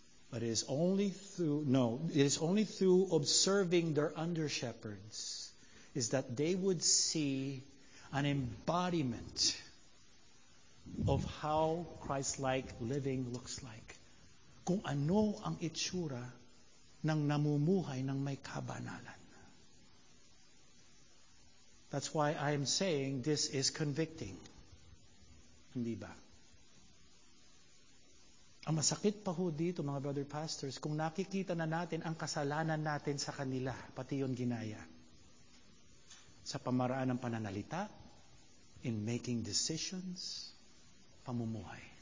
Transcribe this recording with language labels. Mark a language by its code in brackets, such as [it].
[en] But it is only through, observing their under-shepherds is that they would see an embodiment of how Christ-like living looks like. [tl] Kung ano ang itsura ng namumuhay ng may kabanalan. [en] That's why I am saying this is convicting. [tl] Hindi ba? Ang masakit pa ho dito, mga brother pastors, kung nakikita na natin ang kasalanan natin sa kanila, pati yung ginaya, sa pamaraan ng pananalita, in making decisions, pamumuhay.